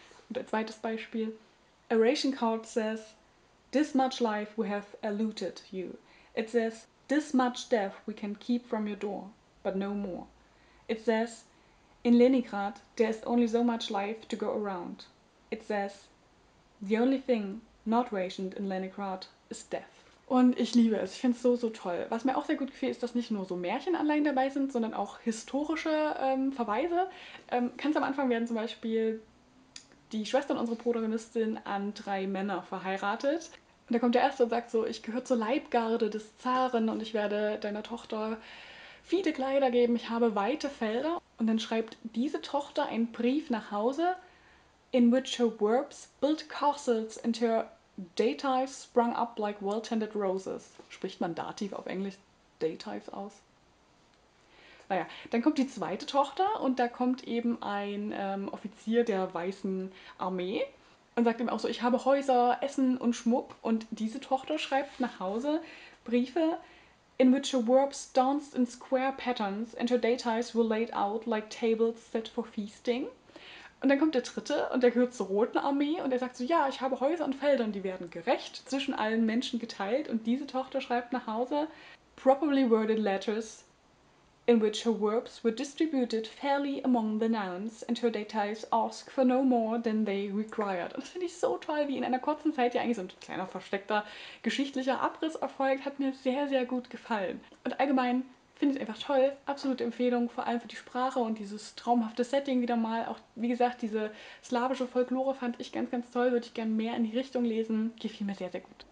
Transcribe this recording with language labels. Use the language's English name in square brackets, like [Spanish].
[German] Und ein zweites Beispiel. [English] A ration card says, This much life we have eluted you. It says, This much death we can keep from your door, but no more. It says, In Leningrad, there is only so much life to go around. It says, the only thing not rationed in Leningrad is death. [German] Und ich liebe es. Ich finde es so, so toll. Was mir auch sehr gut gefällt, ist, dass nicht nur so Märchenanleihen dabei sind, sondern auch historische Verweise. Ganz am Anfang werden zum Beispiel die Schwester und unsere Protagonistin an drei Männer verheiratet. Und da kommt der erste und sagt so, ich gehöre zur Leibgarde des Zaren und ich werde deiner Tochter viele Kleider geben. Ich habe weite Felder. Und dann schreibt diese Tochter einen Brief nach Hause, [English] in which her verbs build castles and her datives sprung up like well-tended roses. [German] Spricht man Dativ auf Englisch datives aus? Naja, dann kommt die zweite Tochter und da kommt eben ein Offizier der Weißen Armee und sagt ihm auch so, ich habe Häuser, Essen und Schmuck. Und diese Tochter schreibt nach Hause Briefe, [English] in which her verbs danced in square patterns and her datives were laid out like tables set for feasting. [German] Und dann kommt der dritte und der gehört zur Roten Armee und er sagt so, ja, ich habe Häuser und Felder und die werden gerecht zwischen allen Menschen geteilt. Und diese Tochter schreibt nach Hause, [English] properly worded letters in which her verbs were distributed fairly among the nouns and her datives ask for no more than they required. [German] Und das finde ich so toll, wie in einer kurzen Zeit ja eigentlich so ein kleiner versteckter geschichtlicher Abriss erfolgt, hat mir sehr, sehr gut gefallen. Und allgemein finde ich einfach toll, absolute Empfehlung, vor allem für die Sprache und dieses traumhafte Setting wieder mal. Auch wie gesagt, diese slawische Folklore fand ich ganz, ganz toll, würde ich gerne mehr in die Richtung lesen, gefiel mir sehr, sehr gut.